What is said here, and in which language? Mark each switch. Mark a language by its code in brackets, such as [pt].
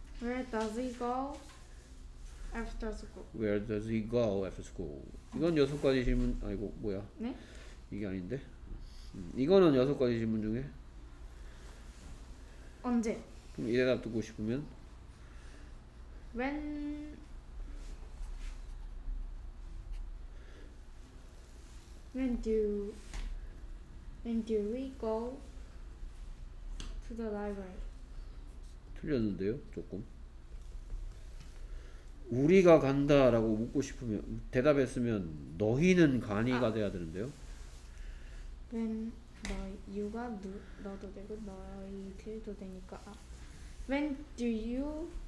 [en] Where does he go after school? Where does he go after school? [ko] 이건 여섯 가지 질문 아이고 뭐야? 네? 이게 아닌데. 이거는 여섯 가지 질문 중에 언제? 그럼 이 대답 듣고 싶으면 [en] When When do we go to the library? [ko] 틀렸는데요, 조금. 우리가 간다라고 묻고 싶으면 대답했으면 너희는 가니가 돼야 되는데요. When 너희 you가 너도 되고 너희들도 되니까 [en] When do you